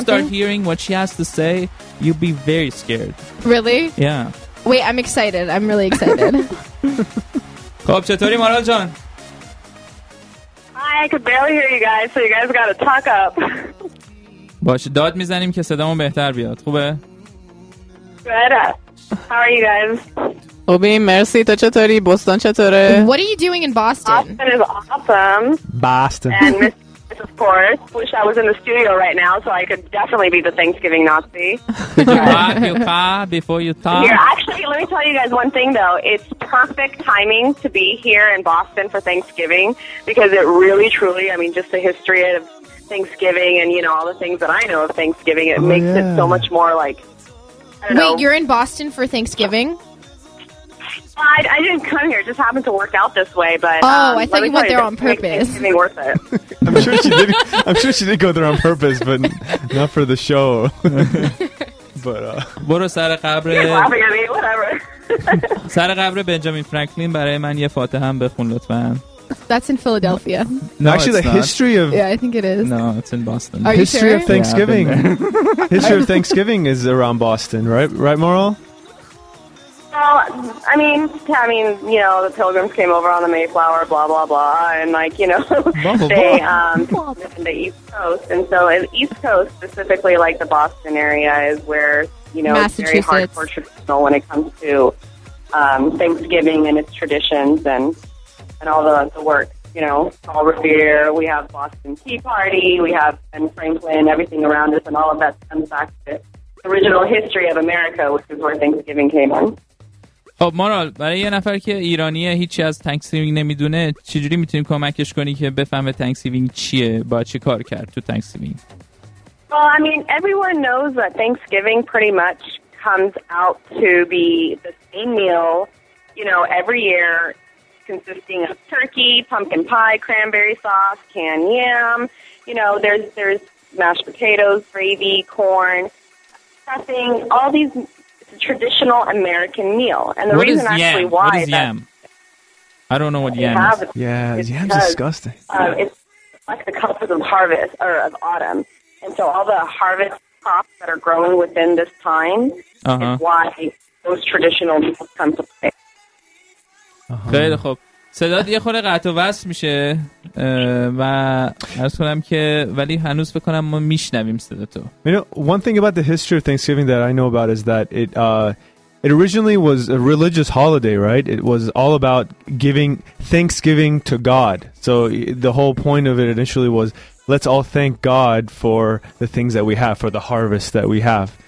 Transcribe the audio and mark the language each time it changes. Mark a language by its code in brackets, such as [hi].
[en] Once you start hearing what she has to say you'll be very scared Really? Yeah Wait, I'm excited. I'm really excited. [fa] خب چطوری مارال جان؟ [en] Hi, I could barely hear you guys, so you guys gotta talk up. [fa] باشه داد میزنیم که صدامون بهتر بیاد. خوبه؟ [en] Good. How are you guys? [fa] خوبی مرسی. تو چطوری؟ بوستون چطوره؟ [en] What are you doing in Boston? Boston is awesome. Boston. Of course. Wish I was in the studio right now so I could definitely be the Thanksgiving Nazi. Your car before you talk. Here, actually, let me tell you guys one thing though. It's perfect timing to be here in Boston for Thanksgiving because it really, truly, I mean, just the history of Thanksgiving and, you know, all the things that I know of Thanksgiving, it makes it so much more like. Wait, you're in Boston for Thanksgiving? I didn't come here. It just happened to work out this way. But oh, I thought you went there on purpose. It's worth it. I'm sure she did. I'm sure she did go there on purpose, but not for the show. But [fa] برو سر قبر. [en] Whatever. [fa] سر قبر بنجامین فرانکلین برای من یه فاتحه هم بخون لطفاً. [en] That's in Philadelphia. No, actually, it's the not. History of yeah, I think it is. No, it's in Boston. Are history you sure? of Thanksgiving. Yeah, history of Thanksgiving is around Boston, right? Right, Moral? Well, I mean, you know, the pilgrims came over on the Mayflower, blah, blah, blah, and, like, you know, the East Coast. And so in East Coast, specifically, like, the Boston area is where, you know, it's very hardcore traditional when it comes to Thanksgiving and its traditions and all the work, you know, Paul Revere. We have Boston Tea Party. We have Ben Franklin, everything around us, and all of that comes back to the original history of America, which is where Thanksgiving came from. [fa] خب مارال برای یه نفر که ایرانیه هیچی از تانکسگیوینگ نمیدونه چجوری میتونیم کمکش کنی که بفهمه تانکسگیوینگ چیه با چه کار کرد تو تانکسگیوینگ [en] Well I mean everyone knows that Thanksgiving pretty much comes out to be the same meal you know every year consisting of turkey, pumpkin pie, cranberry sauce, canned yam, you know there's mashed potatoes, gravy, corn, stuffing, all these traditional American meal. And the what reason actually yam? Why what is yam? I don't know what yam is. Yeah, yam's disgusting. It's like the colors of harvest or of autumn. And so all the harvest crops that are growing within this time is why those traditional meals come to play. [fa] خیلی خوب. صدات یه خورده قطع و وصل میشه و عرض کنم که ولی هنوز بکنم ما میشنویم صداتو. [en] You know, one thing about the history of Thanksgiving that I know about is that it originally was a religious holiday, right? It was all about giving Thanksgiving to God. So the whole point of it initially was let's all thank God for the things that we have, for the harvest that we have.